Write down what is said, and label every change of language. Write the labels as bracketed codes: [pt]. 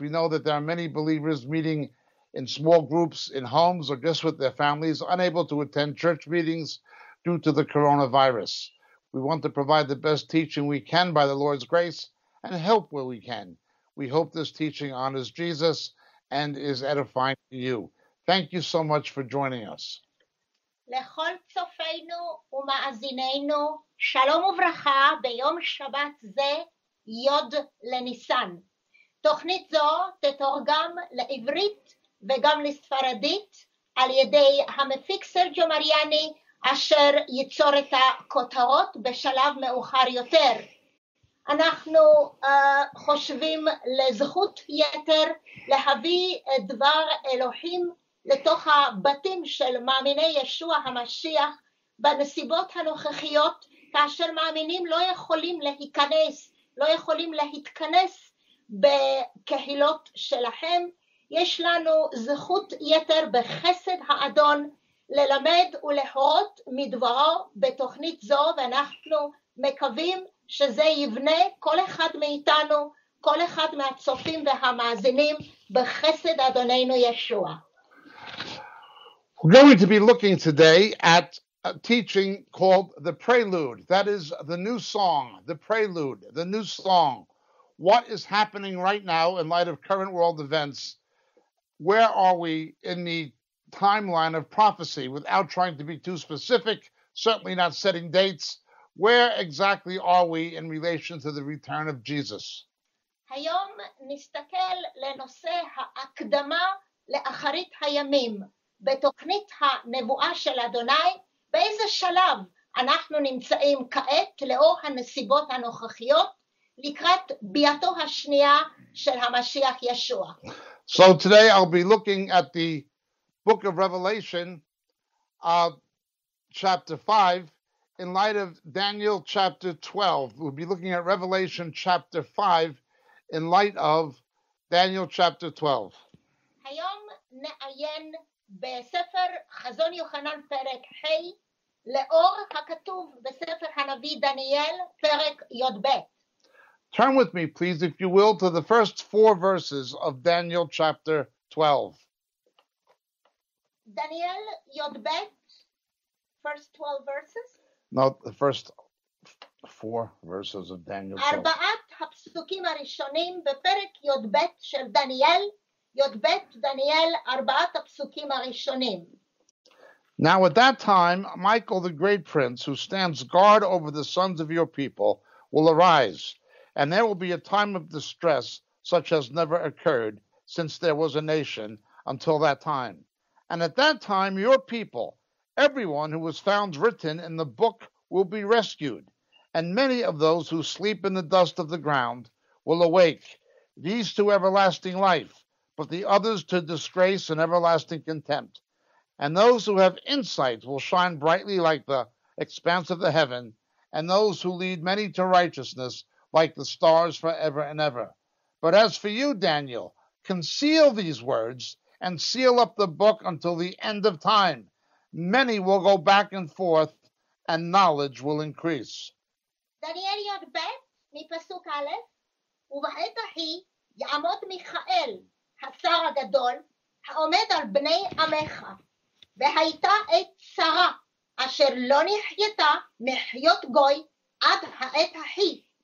[en] We know that there are many believers meeting in small groups, in homes, or just with their families, unable to attend church meetings due to the coronavirus. We want to provide the best teaching we can by the Lord's grace and help where we can. We hope this teaching honors Jesus and is edifying to you. Thank you so much for joining us. [he] לכל צופינו ומאזינינו, שלום וברכה ביום שבת זה, יוד לניסן. תוכנית זו תתורגם לעברית וגם לספרדית על ידי המפיק סרג'ו מריאני, אשר ייצור את הכותרות בשלב מאוחר יותר. אנחנו חושבים לזכות יתר להביא דבר אלוהים לתוך הבתים של מאמיני ישוע המשיח בנסיבות הנוכחיות, כאשר מאמינים לא יכולים להיכנס, לא יכולים להתכנס בקהילות שלהם. יש לנו זכות יתר בחסד האדון ללמד ולהורות מדברו בתוכנית זו, ואנחנו מקווים שזה יבנה כל אחד מאיתנו, כל אחד מהצופים והמאזינים בחסד אדוננו ישוע. [en] We're going to be looking today at a teaching called the Prelude. That is the new song, the Prelude, the new song. What is happening right now in light of current world events? Where are we in the timeline of prophecy? Without trying to be too specific, certainly not setting dates, where exactly are we in relation to the return of Jesus? [he] היום נסתכל לנושא ההקדמה לאחרית הימים. בתוכנית הנבואה של אדוני, באיזה שלב אנחנו נמצאים כעת לאור הנסיבות הנוכחיות לקראת ביאתו השנייה של המשיח ישוע. [en] So today I'll be looking at the book of Revelation, chapter 5, in light of Daniel chapter 12. We'll be looking at Revelation chapter 5 in light of Daniel chapter 12. [he] היום נעיין בספר חזון יוחנן פרק ה', לאור הכתוב בספר הנביא דניאל פרק י"ב. [en] Turn with me, please, if you will, to the first four verses of Daniel chapter 12. Daniel י"ב, first 12 verses? No, the first four verses of Daniel 12. [he] ארבעת הפסוקים הראשונים בפרק י"ב של דניאל, י"ב דניאל, ארבעת הפסוקים הראשונים. [en] Now at that time, Michael the great prince, who stands guard over the sons of your people, will arise. And there will be a time of distress such as never occurred since there was a nation until that time. And at that time, your people, everyone who was found written in the book, will be rescued. And many of those who sleep in the dust of the ground will awake, these to everlasting life, but the others to disgrace and everlasting contempt. And those who have insight will shine brightly like the expanse of the heaven, and those who lead many to righteousness like the stars forever and ever. But as for you, Daniel, conceal these words and seal up the book until the end of time. Many will go back and forth, and knowledge will increase. [he] Daniel י"ב, מפסוק א', ובעת ההיא יעמוד מיכאל, השר הגדול, העומד על בני עמך. והייתה עת צרה, אשר לא נחייתה מחיות גוי עד העת ההיא.